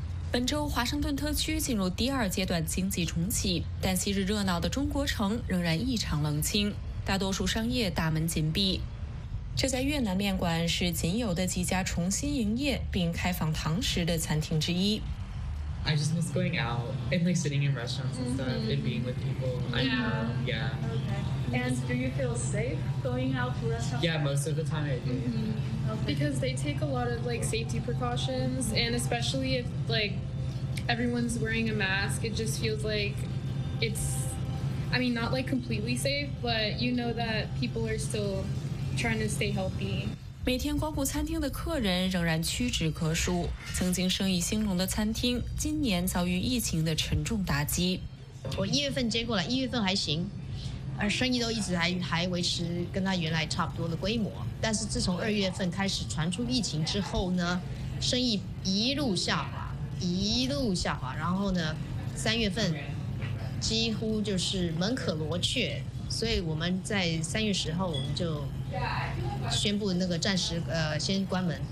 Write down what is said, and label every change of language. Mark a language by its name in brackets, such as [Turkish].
[Chinese] 本周华盛顿特区进入第二阶段经济重启，但昔日热闹的中国城仍然异常冷清，大多数商业大门紧闭。这家越南面馆是仅有的几家重新营业并开放堂食的餐厅之一。 [English] I just miss going out and like sitting in restaurants and stuff、mm-hmm. and being with people. Yeah. Okay. And do you feel safe going out to restaurants? Yeah, most of the time I do.、Mm-hmm. Because they take a lot of like safety precautions and especially if like everyone's wearing a mask, it just feels like it's, I mean, not like completely safe, but you know that people are still trying to stay healthy. [Chinese] 每天光顾餐厅的客人仍然屈指可数，曾经生意兴隆的餐厅今年遭遇疫情的沉重打击。我一月份接过来，一月份还行，而生意都一直还维持跟他原来差不多的规模，但是自从2月份开始传出疫情之后呢，生意一路下滑，一路下滑，然后呢3月份几乎就是门可罗雀，所以我们在3月10号我们就宣布那个暂时先关门。